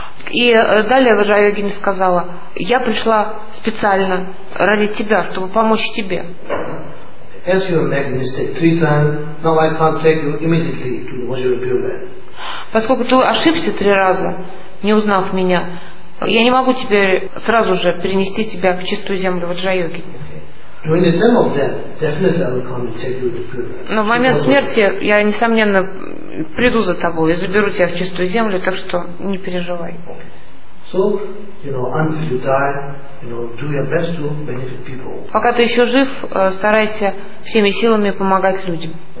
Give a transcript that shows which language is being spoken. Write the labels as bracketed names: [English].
[Russian] И далее Ваджра-йогини сказала, я пришла специально ради тебя, чтобы помочь тебе. [English] As you have made a mistake three times, now I can't take you immediately to Vajrayogini. [Russian] Поскольку ты ошибся три раза, не узнав меня, я не могу теперь сразу же перенести тебя в чистую землю Ваджра-йогини. [English] During the time of death, definitely I will come and take you to Pure Land. [Russian] Но в момент смерти я несомненно приду за тобой и заберу тебя в чистую землю, так что не переживай. [English] So, you know, until you die, you know, do your best to benefit people. [Russian] Пока ты еще жив, старайся всеми силами помогать людям.